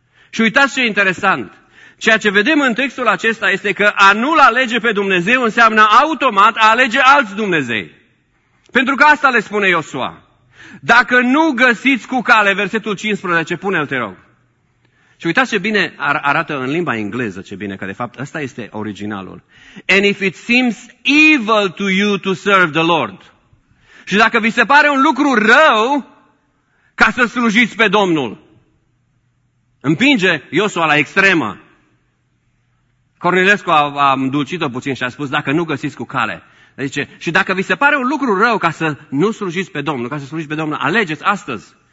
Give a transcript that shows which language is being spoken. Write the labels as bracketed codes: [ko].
[ro] Și uitați ce interesant! Ceea ce vedem în textul acesta este că a nu-L alege pe Dumnezeu înseamnă automat a alege alți Dumnezei. Pentru că asta le spune Iosua. Dacă nu găsiți cu cale, versetul 15, pune-l, te rog. Și uitați ce bine arată în limba engleză, ce bine, că de fapt ăsta este originalul. [en] And if it seems evil to you to serve the Lord. [ro] Și dacă vi se pare un lucru rău, ca să slujiți pe Domnul. Împinge Iosua la extremă. Cornilescu a îndulcit-o puțin și a spus, dacă nu găsiți cu cale. Zice, și dacă vi se pare un lucru rău ca să nu slujiți pe Domnul, ca să slujiți pe Domnul, alegeți astăzi.